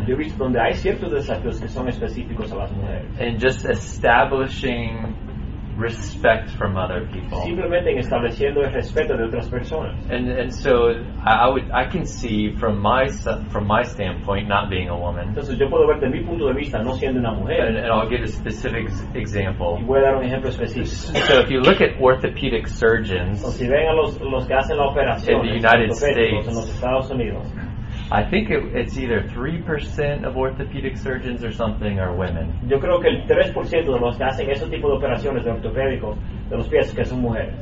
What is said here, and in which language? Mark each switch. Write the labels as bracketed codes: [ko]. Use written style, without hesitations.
[es] Yo he visto donde hay ciertos desafíos que son específicos a las mujeres. [en] And just establishing respect from other people. [es] Simplemente en estableciendo el respeto de otras personas. [en] And so I can see from my standpoint not being a woman. [es] Entonces yo puedo ver de mi punto de vista no siendo una mujer. [en] And I'll give a specific example. [es] Y voy a dar un ejemplo específico. [en] So if you look at orthopedic surgeons. [es] Si ven a los que hacen la operación [en] in the United States, [es] en los Estados Unidos. [en] I think it's either 3% of orthopedic surgeons or something are women. [es] Yo creo que el 3% de los que hacen ese tipo de operaciones de ortopédicos de los pies que son mujeres.